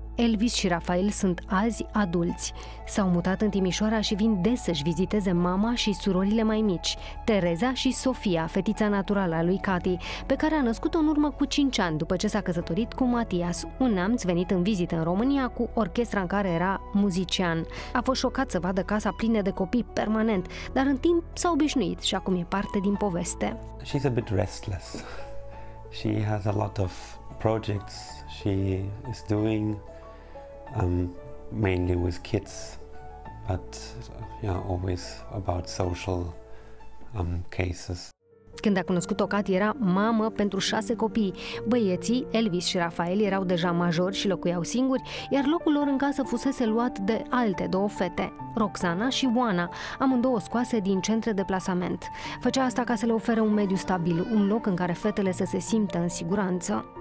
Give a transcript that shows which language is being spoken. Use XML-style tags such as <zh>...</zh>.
<ro>Elvis și Rafael sunt azi adulți. S-au mutat în Timișoara și vin des să-și viziteze mama și surorile mai mici, Tereza și Sofia, fetița naturală a lui Cati, pe care a născut-o în urmă cu 5 ani, după ce s-a căsătorit cu Matias, un neamț venit în vizită în România cu orchestra în care era muzician. A fost șocat să vadă casa plină de copii permanent, dar în timp s-a obișnuit și acum e parte din poveste.</ro> <en>She's a bit restless. She has a lot of projects she is doing, mainly with kids, but yeah, always about social cases.</en> <ro>Când a cunoscut-o, Cati era mamă pentru 6 copii. Băieții, Elvis și Rafael, erau deja majori și locuiau singuri, iar locul lor în casă fusese luat de alte 2 fete, Roxana și Oana, amândouă scoase din centre de plasament. Făcea asta ca să le ofere un mediu stabil, un loc în care fetele să se simtă în siguranță.</ro>